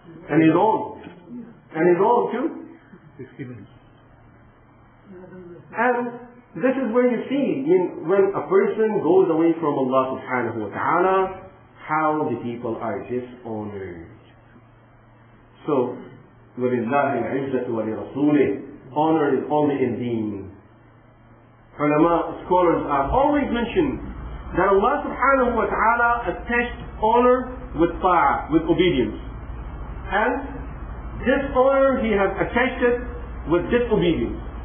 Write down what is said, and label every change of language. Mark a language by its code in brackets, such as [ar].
[en] And his own too. And this is where you see, when a person goes away from Allah subhanahu wa ta'ala, how the people are dishonored. [ar] So, وَلِلَّهِ الْعِزَّةُ وَلِرَسُولِهِ. [en] Honor is only in deen. Ulama, scholars have always mentioned that Allah subhanahu wa ta'ala attached honor with ta'ah, with obedience. And this honor he has attached it with disobedience.